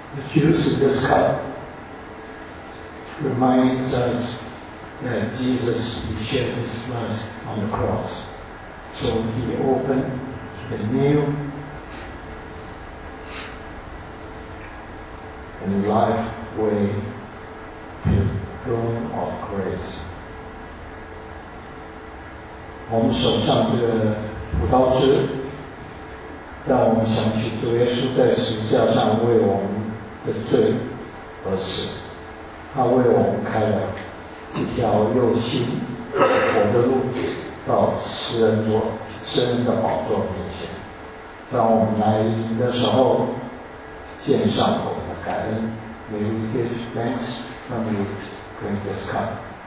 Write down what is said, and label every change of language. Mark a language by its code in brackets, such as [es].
[en] Juice in this cup reminds us that Jesus shed his blood on the cross. So he opened the new and life way to the throne of grace. [zh] 我们手上这个葡萄汁，让我们想起主耶稣在十字架上为我们的罪而死，他为我们开了一条又新又活的路，到施恩的宝座面前。当我们来临的时候，献上我们的感恩。 [en] May we give thanks when we bring this cup.